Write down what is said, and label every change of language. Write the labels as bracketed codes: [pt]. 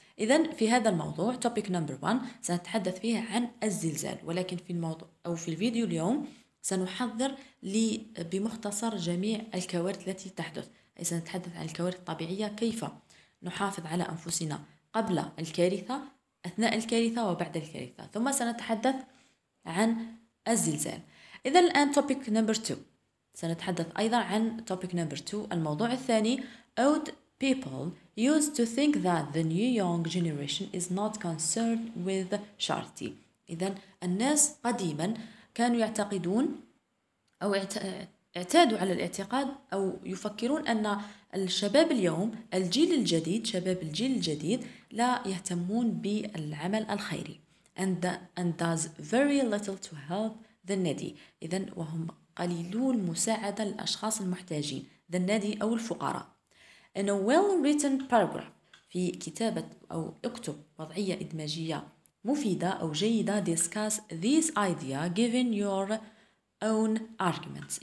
[ar] إذا في هذا الموضوع [en] topic number one [ar] سنتحدث فيه عن الزلزال، ولكن في الموضوع أو في الفيديو اليوم سنحضر بمختصر جميع الكوارث التي تحدث، أي سنتحدث عن الكوارث الطبيعية، كيف نحافظ على أنفسنا قبل الكارثة، أثناء الكارثة، وبعد الكارثة، ثم سنتحدث عن الزلزال. إذا الآن [en] topic number two، [ar] سنتحدث أيضا عن topic number two، الموضوع الثاني. [en] Old people used to think that the new young generation is not concerned with charity. [ar] إذا الناس قديما كانوا يعتقدون أو اعتادوا على الاعتقاد أو يفكرون أن الشباب اليوم، الجيل الجديد، شباب الجيل الجديد لا يهتمون بالعمل الخيري. [en] And does very little to help the needy. [ar] إذا وهم قليلون مساعدة للأشخاص المحتاجين. [en] The needy [ar] أو الفقراء. [en] in a well-written paragraph [ar] في كتابة أو اكتب وضعية إدماجية مفيدة أو جيدة [en] discuss this idea given your own arguments.